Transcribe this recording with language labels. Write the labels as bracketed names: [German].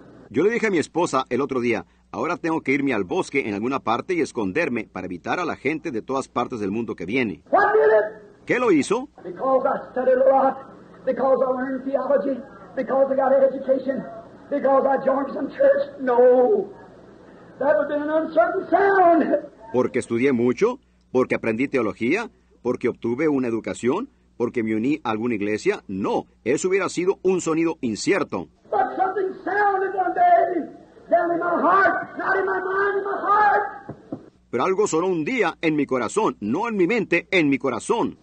[Spanish] Yo le dije a mi esposa el otro día, ahora tengo que irme al bosque en alguna parte y esconderme para evitar a la gente de todas partes del mundo que viene. ¿Qué lo hizo? [English] Because I studied a lot, because I learned theology, because I got an education, because I joined some church. No, that would have been an uncertain sound. [Spanish] Porque estudié mucho, porque aprendí teología, porque obtuve una educación, porque me uní a alguna iglesia. No, eso hubiera sido un sonido incierto. [English] But something sounded one day, down in my heart, not in my mind, in my heart. [Spanish] Pero algo sonó un día en mi corazón, no en mi mente, en mi corazón.